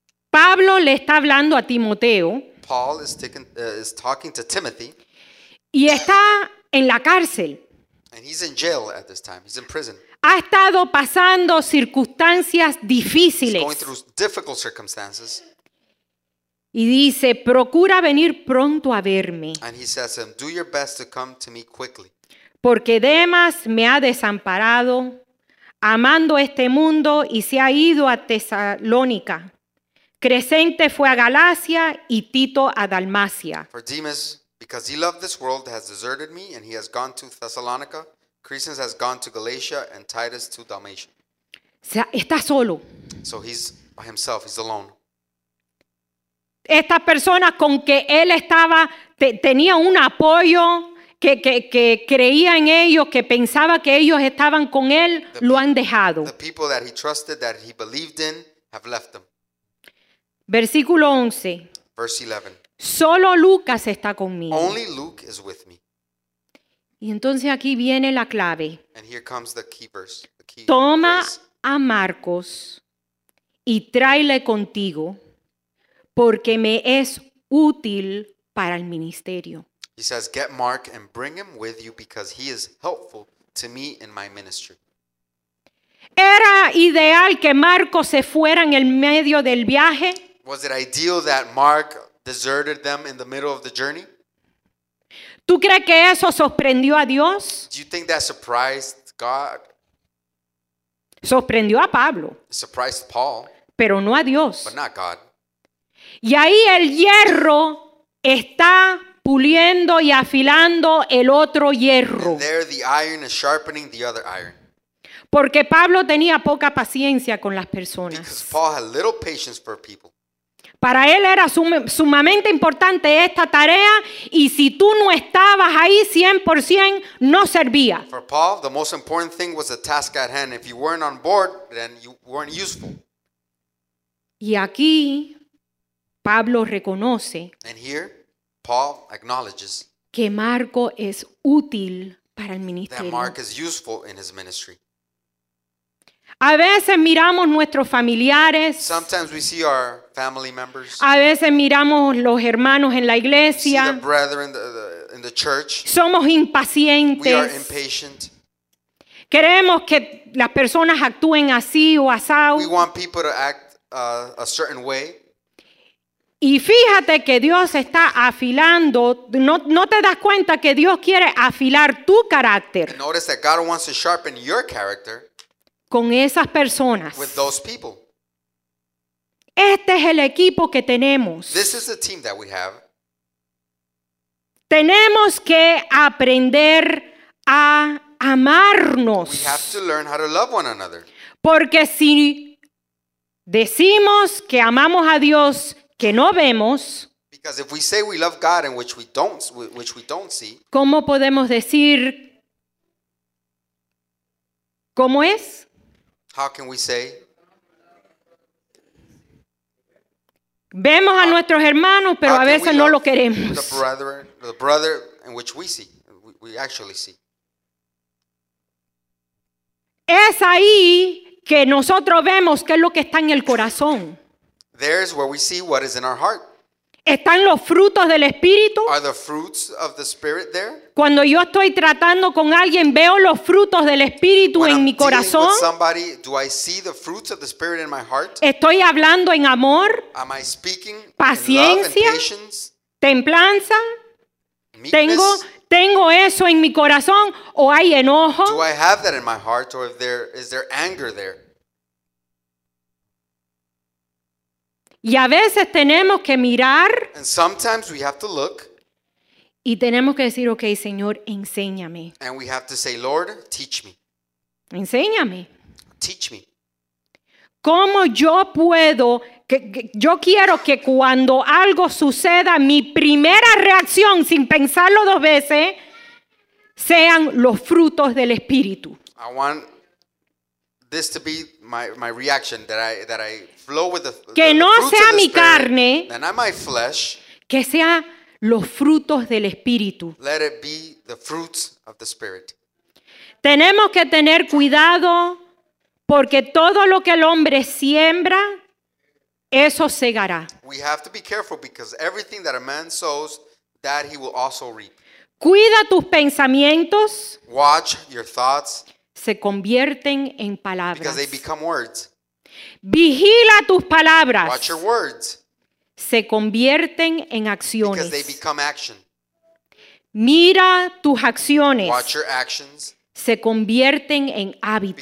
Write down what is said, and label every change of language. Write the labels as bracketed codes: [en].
[es] Pablo le está hablando a Timoteo. [en] Paul is talking to Timothy. [es] Y está en la cárcel. [en] And he's in jail at this time. He's in prison. [es] Ha estado pasando circunstancias difíciles. [en] He's going through difficult circumstances. [es] Y dice, procura venir pronto a verme. [en] And he says to him, do your best to come to me quickly. [es] Porque Demas me ha desamparado, amando este mundo, y se ha ido a Tesalónica. Crescente fue a Galacia y Tito a Dalmacia. [en] For Demas, because he loved this world, has deserted me and he has gone to Thessalonica. Crescens has gone to Galatia and Titus to Dalmatia. [es] Está solo. [en] So he's by himself, he's alone. [es] Estas personas con que él estaba, tenía un apoyo, que creía en ellos, que pensaba que ellos estaban con él, lo han dejado. [en] The people that he trusted, that he believed in, have left them. [es] Versículo 11. [en] Verse 11. [es] Solo Lucas está conmigo. [en] Only Luke is with me. [es] Y entonces aquí viene la clave. [en] And here comes the key verse, the key [es] toma [en] verse. [es] A Marcos y tráele contigo porque me es útil para el ministerio. [en] He says, get Mark and bring him with you because he is helpful to me in my ministry. [es] ¿Era ideal que Marco se fuera en el medio del viaje? [en] Was it ideal that Mark deserted them in the middle of the journey? [es] ¿Tú crees que eso sorprendió a Dios? [en] Do you think that surprised God? [es] Sorprendió a Pablo. [en] It surprised Paul. [es] Pero no a Dios. [en] But not God. [es] Y ahí el hierro está puliendo y afilando el otro hierro. [en] And there the iron is sharpening the other iron. [es] Porque Pablo tenía poca paciencia con las personas. [en] Because Paul had little patience for people. [es] Para él era sumamente importante esta tarea y si tú no estabas ahí 100%, no servía. [en] For Paul, the most important thing was the task at hand. If you weren't on board, then you weren't useful. [es] Y aquí, Pablo reconoce [en] and here, Paul acknowledges [es] que Marco es útil para el ministerio. [en] That Mark is useful in his ministry. [es] A veces miramos nuestros familiares. [en] Sometimes we see our family members. [es] A veces miramos los hermanos en la iglesia. [en] We see the brethren in the church. [es] Somos impacientes. [en] We are impatient. [es] Queremos que las personas actúen así o asado. [en] We want people to act a certain way. [es] Y fíjate que Dios está afilando. No te das cuenta que Dios quiere afilar tu carácter. [en] And notice that God wants to sharpen your character. [es] Con esas personas. [en] With those people. [es] Este es el equipo que tenemos. [en] This is the team that we have. [es] Tenemos que aprender a amarnos. [en] We have to learn how to love one another. [es] Porque si decimos que amamos a Dios que no vemos, [en] because if we say we love God and which we don't see, [es] ¿cómo podemos decir cómo es? [en] How can we say? [es] Vemos a nuestros hermanos, pero a veces no lo queremos. [en] The brother in which we see, we actually see. [es] Es ahí que nosotros vemos qué es lo que está en el corazón. [en] There's where we see what is in our heart. [es] ¿Están los frutos del Espíritu? [en] Are the fruits of the Spirit there? [es] Cuando yo estoy tratando con alguien, veo los frutos del Espíritu [en] when [es] en [en] I'm [es] mi corazón. [en] With somebody, do I see the fruits of the Spirit in my heart? [es] ¿Estoy hablando en amor? [en] Am I speaking [es] paciencia, [en] in love and patience? [es] ¿Templanza? [en] Meekness? [es] ¿Tengo eso en mi corazón o hay enojo? [en] Do I have that in my heart or is there anger there? [es] Y a veces tenemos que mirar. [en] And sometimes we have to look. [es] Y tenemos que decir, okay, Señor, enséñame. [en] And we have to say, Lord, teach me. [es] Enséñame. [en] Teach me. [es] ¿Cómo yo puedo? Que yo quiero que cuando algo suceda, mi primera reacción, sin pensarlo dos veces, sean los frutos del Espíritu. [en] I want this to be my reaction that I flow with the [es] que no [en] fruits [es] sea [en] of the [es] mi [en] Spirit, [es] carne, [en] and not my flesh, [es] que sea los frutos del Espíritu. [en] Let it be the fruits of the Spirit. [es] Tenemos que tener cuidado porque todo lo que el hombre siembra, eso segará. [en] We have to be careful because everything that a man sows, that he will also reap. [es] Cuida tus pensamientos. [en] Watch your thoughts. [es] Se convierten en palabras. [en] Because they become words. [es] Vigila tus palabras. [en] Watch your words. [es] Se convierten en acciones. [en] Because they become action. [es] Mira tus acciones. [en] Watch your actions. [es] Se convierten en hábitos.